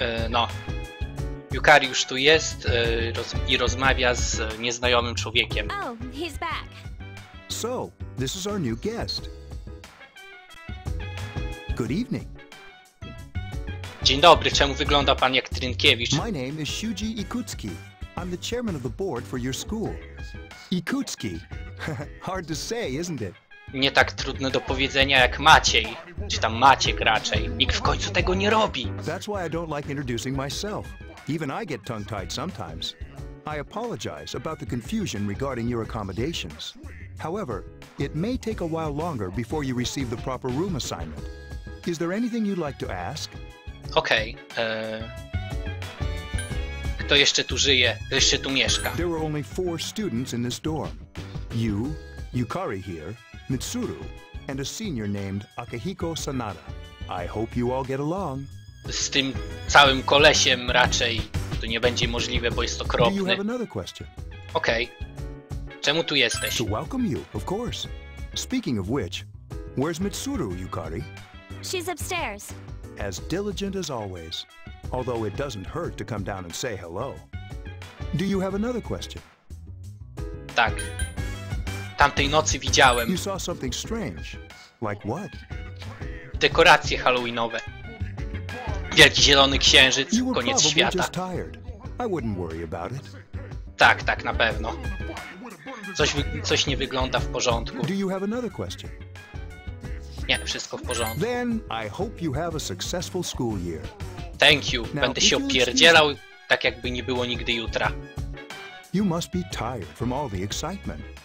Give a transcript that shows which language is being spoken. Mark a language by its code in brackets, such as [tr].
[pl] No. Jukariusz tu jest i rozmawia z nieznajomym człowiekiem. [en] Oh, he's back. So, this is our new guest. Good evening. [pl] Dzień dobry, czemu wygląda pan jak Trynkiewicz? [en] My name is Shuji Ikutsuki. I'm the chairman of the board for your school. Ikutsuki. Hard to say, isn't it? [pl] Nie tak trudno do powiedzenia jak Maciej. Czy tam Maciek raczej. Nikt w końcu tego nie robi. [en] That's why I don't like introducing myself. Even I get tongue-tied sometimes. I apologize about the confusion regarding your accommodations. However, it may take a while longer before you receive the proper room assignment. Is there anything you'd like to ask? [pl] Okej. Kto jeszcze tu żyje? Kto jeszcze tu mieszka? [en] There were only four students in this dorm. You, Yukari here, Mitsuru, and a senior named Akihiko Sanada. I hope you all get along. [pl] Z tym całym kolesiem raczej to nie będzie możliwe, bo jest okropny. [en] Do you have another question? [pl] Okej. Czemu tu jesteś? [en] To welcome you, of course. Speaking of which, where's Mitsuru, Yukari? She's upstairs. As diligent as always. Although it doesn't hurt to come down and say hello. Do you have another question? [pl] Tak. Tamtej nocy widziałem. [en] You saw something strange. Like what? [pl] Dekoracje halloweenowe. Wielki zielony księżyc, koniec świata. [en] You were probably just tired. I wouldn't worry about it. [pl] Tak, na pewno. Coś nie wygląda w porządku. [en] Do you have another question? [pl] Nie, wszystko w porządku. [en] Then I hope you have a successful school year. Thank you. [pl] Będę się opierdzielał, tak jakby nie było nigdy jutra. [en] You must be tired from all the excitement.